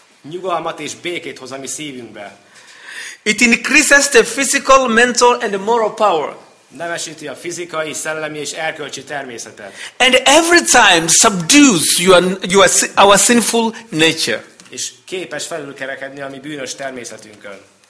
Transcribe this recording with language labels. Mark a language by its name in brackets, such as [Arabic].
[Hungarian] Nyugalmat és békét hoz a mi szívünkbe. [English] It increases the physical, mental and moral power. [Hungarian] Nemesíti a fizikai, szellemi és erkölcsi természetet. [English] And every time subdues our sinful nature. [Hungarian] És képes felülkerekedni a mi bűnös természetünkön.